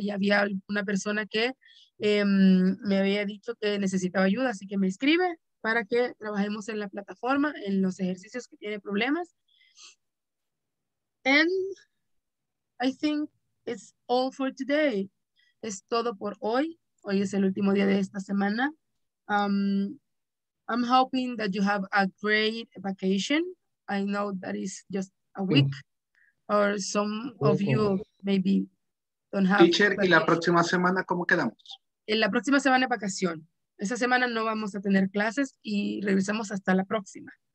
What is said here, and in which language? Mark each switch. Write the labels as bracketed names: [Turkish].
[Spanish] Ya había una persona que me había dicho que necesitaba ayuda, así que me escribe para que trabajemos en la plataforma, en los ejercicios que tiene problemas. [English] And I think it's all for today. [Spanish] Es todo por hoy. Hoy es el último día de esta semana. [English] I'm hoping that you have a great vacation. I know that is just a week, or some of you maybe don't have. [Spanish] Teacher, ¿y la próxima semana cómo quedamos? En la próxima semana vacación. Esa semana no vamos a tener clases y regresamos hasta la próxima.